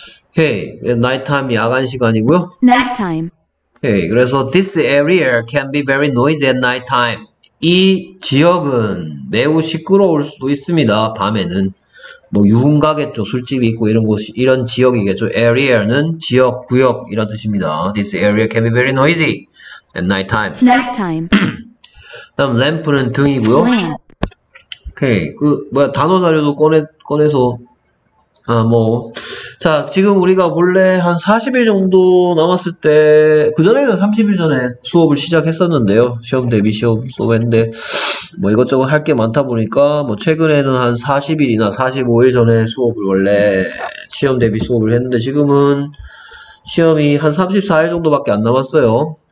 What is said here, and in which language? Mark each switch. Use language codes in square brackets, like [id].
[ko] 오케이, 나이트타임 야간 시간이고요. 나이트타임. 오케이, 그래서 [en] this area can be very noisy at night time. [ko] 이 지역은 매우 시끄러울 수도 있습니다. 밤에는 뭐 유흥가겠죠. 술집이 있고 이런 곳이, 이런 지역이겠죠. area는 지역, 구역 이런 뜻입니다. [en] This area can be very noisy at night time. Nighttime. [ko] 다음 램프는 등이고요. [en] Lamp. [ko] 오케이, 그 뭐야, 단어 자료도 꺼내서. 아뭐자 지금 우리가 원래 한 40일 정도 남았을 때, 그전에는 30일 전에 수업을 시작했었는데요. 시험 대비 시험 수업했는데 뭐 이것저것 할게 많다 보니까 뭐 최근에는 한 40일이나 45일 전에 수업을, 원래 시험 대비 수업을 했는데 지금은 시험이 한 34일 정도밖에 안 남았어요.